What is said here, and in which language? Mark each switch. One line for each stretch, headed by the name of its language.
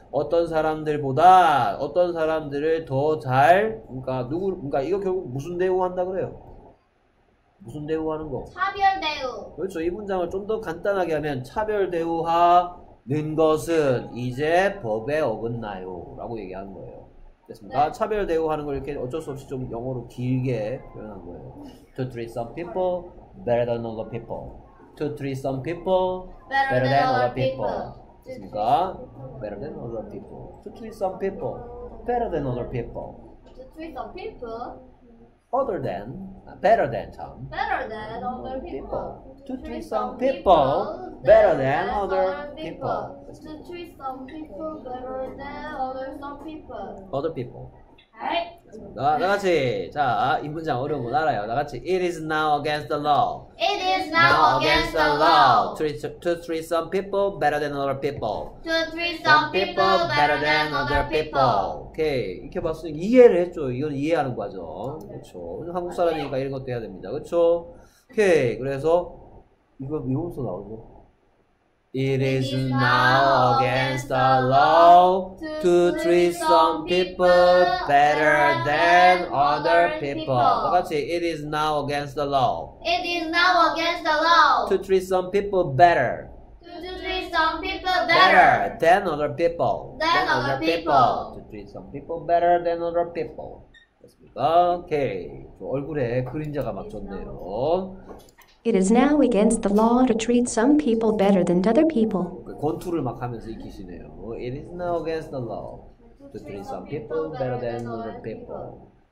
Korean: 어떤 사람들보다 어떤 사람들을 더 잘, 그러니까 누구, 그러니까 이거 결국 무슨 대우한다 그래요? 무슨 대우하는 거? 차별 대우. 그렇죠. 이 문장을 좀 더 간단하게 하면 차별 대우하는 것은 이제 법에 어긋나요라고 얘기하는 거예요. 됐습니다. 네. 차별 대우하는 걸 이렇게 어쩔 수 없이 좀 영어로 길게 표현한 거예요.
English: To treat some people better than other people. To treat some people better than other people.
Korean: 됐습니까?
English: Better than other people. To treat some people better than other people. To treat some people other than better than some better than other people. To treat some people better than other people. To treat some people better than other some people. Other people.
Korean: 네. 나 같이 자, 이 문장 어려운 거 알아요. 나 같이
English: It is now against the law. It is now against the law. To treat some people better than other people. To treat some people better than other people.
Korean: 오케이. 이렇게 봤으니 이해를 했죠. 이건 이해하는 과정. 그렇죠. 한국 사람이니까 이런 것도 해야 됩니다. 그렇죠? 오케이. 그래서 이거 미용서 나오죠.
English: It is now against the law to treat some people better than other people.
Korean: 똑같이
English: It is now against the law. It is now against the law to treat some people better. Better than other people. Than other people to treat some people better than other people.
Korean: 됐습니까? 오케이. 얼굴에 그림자가 맞췄네요.
English: It is now against the law to treat some people better than other people.
Korean: 권투를 막 하면서 익히시네요.
English: It is now against the law to to treat some people better than other people.